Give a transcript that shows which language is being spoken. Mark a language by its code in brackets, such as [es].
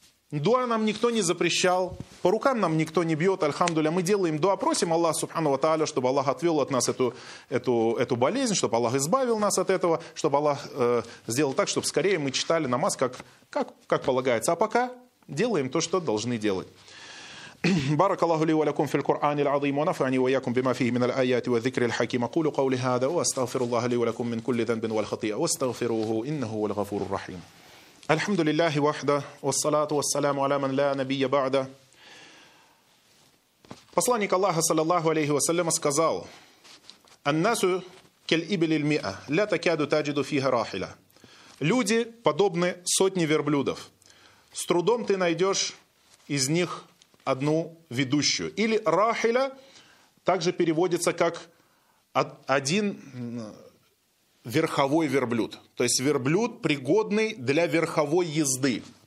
[ru] Дуа нам никто не запрещал, по рукам нам никто не бьет, альхамдулилля, мы делаем дуа, просим Аллах Субхану ва Тааля, чтобы Аллах отвел от нас эту болезнь, чтобы Аллах избавил нас от этого, чтобы Аллах сделал так, чтобы скорее мы читали намаз, как полагается. А пока делаем то, что должны делать. [ar] بارك الله لي ولكم في القرآن العظيم ونفعني وإياكم بما فيه من الآيات والذكر الحكيم أقول قولي هذا وأستغفر الله لي ولكم من كل ذنب والخطيئة واستغفروه إنه هو الغفور الرحيم. الحمد لله وحده والصلاة والسلام على من لا نبي بعده. [ru] Посланник Аллаха [ar] صلى الله عليه وسلم [ru] сказал: [ar] الناس كالإبل المئة لا تكاد تجد فيها راحلة. [ru] Люди подобны сотне верблюдов. С трудом ты найдешь из них одну ведущую. Или рахиля также переводится как один верховой верблюд. То есть верблюд, пригодный для верховой езды.